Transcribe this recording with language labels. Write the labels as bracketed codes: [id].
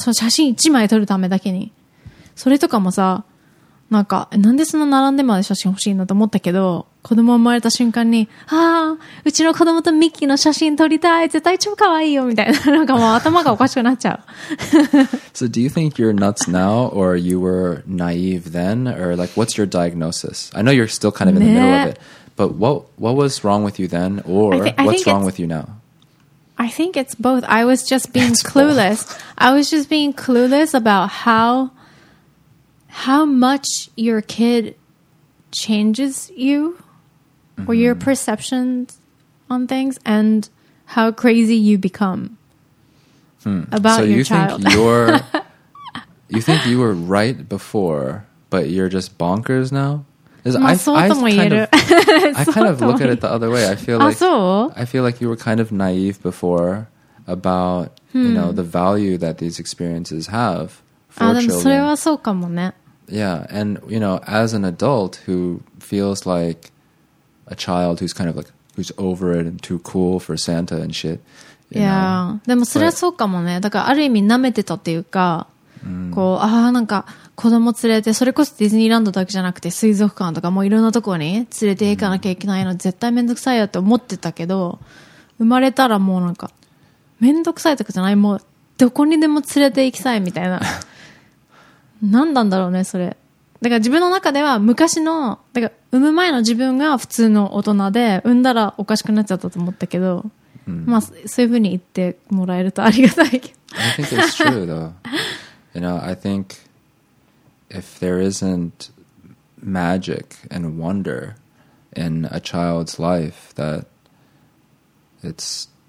[ja] その写真一枚撮るためだけにそれとかもさなんかなんでそんな並んでまで写真欲しいのと思ったけど子供生まれた瞬間にあーうちの子供とミッキーの写真撮りたい絶対超可愛いよみたいななんかもう頭がおかしくなっちゃう [en] So do you think you're nuts now or you were naive then or like what's your diagnosis? I know you're still kind of in the middle of itBut what was wrong with you then, or what's wrong with you now? I think it's both. I was just being clueless. I was just being clueless about how much your kid changes you mm-hmm. or your perceptions on things and how crazy you become about your child. So you think you were right before, but you're just bonkers now? I kind of look at it the other way. I feel like you were kind of naive before about, you know, the value that these experiences have for children. [ja] でもそれはそうかもね。 [en] Yeah, and, you know, as an adult who feels like a child who's kind of like, who's over it and too cool for Santa and shit. Yeah, [ja] でもそれはそうかもね。だからある意味舐めてたっていうか、こう、ああ、なんか、子供連れてそれこそディズニーランドだけじゃなくて水族館とかもういろんなところに連れて行かなきゃいけないの絶対めんどくさいよって思ってたけど生まれたらもうなんかめんどくさいとかじゃないもうどこにでも連れて行きたいみたいな何なんだろうねそれだから自分の中では昔のだから産む前の自分が普通の大人で産んだらおかしくなっちゃったと思ったけど、まあそういうふうに言ってもらえるとありがたいけ [en] ど I think it's true though you know I thinkIf there isn't magic and wonder in a child's life, that it's...